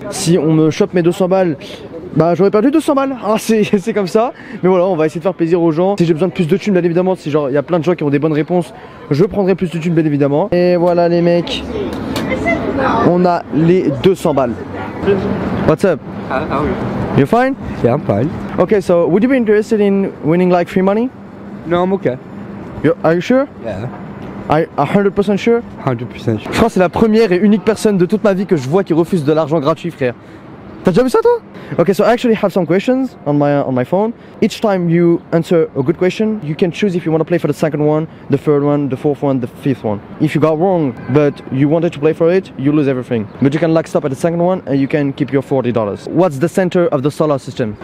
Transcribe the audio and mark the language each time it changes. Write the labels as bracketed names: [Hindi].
[French] Si on me chope mes 200 balles... Bah j'aurais perdu 200 balles, ah, c'est comme ça. Mais voilà, on va essayer de faire plaisir aux gens. Si j'ai besoin de plus de thunes, bien évidemment, si genre il y a plein de gens qui ont des bonnes réponses, je prendrai plus de thunes, bien évidemment. Et voilà les mecs, on a les 200 balles. [English] What's up? How are you? You're fine? Yeah, I'm fine. Okay, so would you be interested in winning like free money? No, I'm okay. Are you sure? Yeah. I'm 100% sure? 100% sure. [French] Je crois que c'est la première et unique personne de toute ma vie que je vois qui refuse de l'argent gratuit, frère. T'as déjà vu ça toi? [English] Okay, so I actually have some questions on my phone. Each time you answer a good question, you can choose if you want to play for the second one, the third one, the fourth one, the fifth one. If you got wrong, but you wanted to play for it, you lose everything. But you can like stop at the second one and you can keep your $40. What's the center of the solar system?